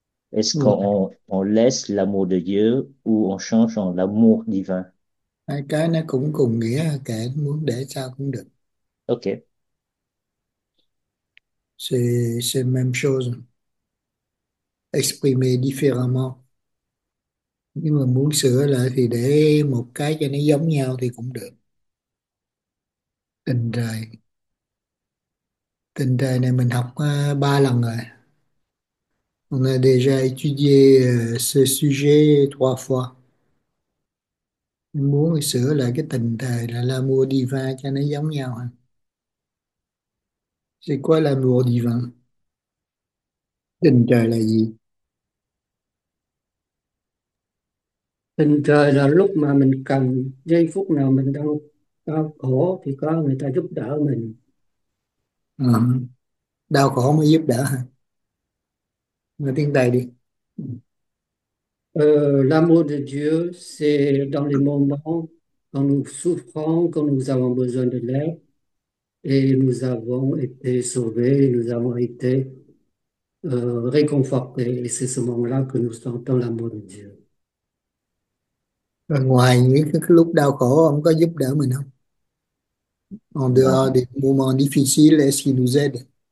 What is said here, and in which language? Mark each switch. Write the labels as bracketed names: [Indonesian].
[French] Est-ce qu'on laisse l'amour de Dieu ou on change en l'amour divin? [Vietnamese] hai cái nó cũng cùng nghĩa, kể muốn để sao cũng được, Ok. [French] c'est même chose, exprimer différemment, [Vietnamese] nhưng mà muốn sửa lại thì để một cái cho nó giống nhau thì cũng được. Tình trời, tình trời này mình học ba lần rồi. [French] On a déjà étudié ce sujet trois fois. [Vietnamese] Mình muốn sửa lại cái tình trời là l'amour divin cho nó giống nhau hả? [French] C'est quoi l'amour divin? [Vietnamese] Tình trời là gì? Tình trời là lúc mà mình cần, giây phút nào mình đang đau khổ thì có người ta giúp đỡ mình. Đau khổ mới giúp đỡ hả? Nói tiếng Tây đi. [French] L'amour de Dieu, c'est dans les moments quand nous souffrons, quand nous avons besoin de l'aide et nous avons été sauvés, nous avons été réconfortés. Et c'est ce moment-là que nous sentons l'amour de Dieu. [Vietnamese] Ngoài những cái lúc đau khổ, ông có giúp đỡ mình không? [French] En Non. dehors des moments difficiles, est-ce qu'il nous aide?